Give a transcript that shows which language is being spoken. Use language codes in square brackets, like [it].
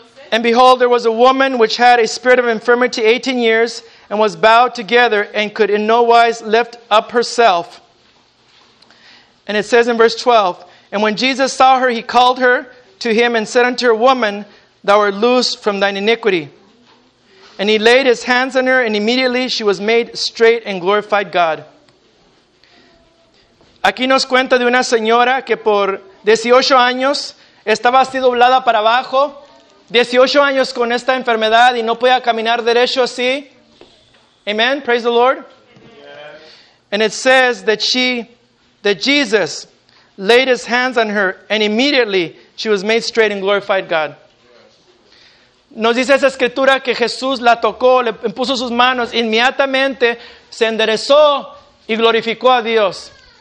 [en] And behold, there was a woman which had a spirit of infirmity 18 years and was bowed together and could in no wise lift up herself. And it says in verse 12, and when Jesus saw her, He called her to Him and said unto her, woman, thou art loosed from thine iniquity. And He laid His hands on her, and immediately she was made straight and glorified God. [es] Aquí nos cuenta de una señora que por 18 años estaba así doblada para abajo, 18 años con esta enfermedad y no podía caminar derecho así. [en] Amen. Praise the Lord. Yes. And it says that Jesus laid His hands on her and immediately she was made straight and glorified God. Yes. [es] Nos dice esa escritura que Jesús la tocó, le puso sus manos, inmediatamente se enderezó y glorificó a Dios.